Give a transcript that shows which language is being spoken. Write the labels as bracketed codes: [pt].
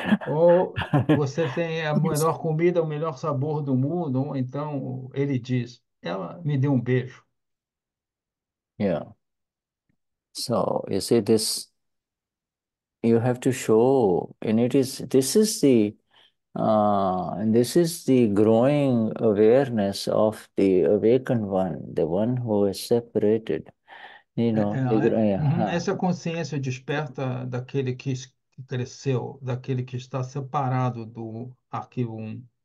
[pt] Ou você tem a melhor comida, o melhor sabor do mundo, então ele diz, ela me deu um beijo. [en] Yeah. So you see this, you have to show, and it is, this is the and this is the growing awareness of the awakened one, the one who is separated, you know, the, [pt] Essa é a consciência desperta daquele que cresceu, daquele que está separado do arquivo 1.